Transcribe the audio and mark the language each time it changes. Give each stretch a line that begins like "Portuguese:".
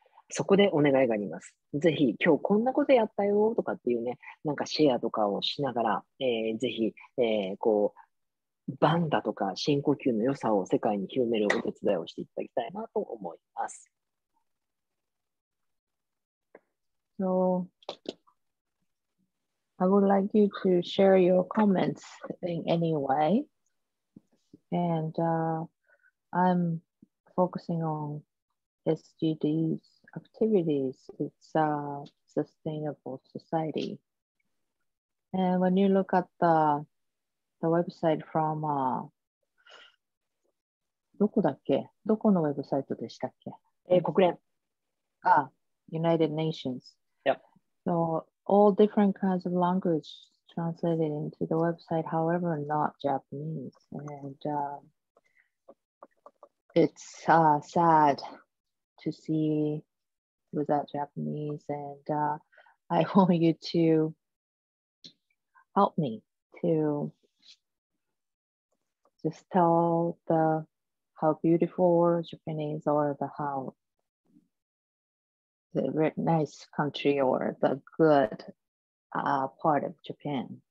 Japanese: そこでお願いがあります。ぜひ今日こんなことやったよとかっていうね、なんかシェアとかをしながら、ぜひ、こう、バンダとか深呼吸の良さを世界に広めるお手伝いをしていただきたいなと思います。
English: So, I would like you to share your comments in any way. And I'm focusing on SGDsactivities, it's a sustainable society. And when you look at the website from,
Japanese: どこだっけ？どこのウェブサイトでしたっけ？国連。
English: United Nations. Yep. So all different kinds of language translated into the website, however, not Japanese. And it's sad to seeWithout Japanese, and I want you to help me to just tell the how beautiful Japanese or the how the very nice country or the good part of Japan.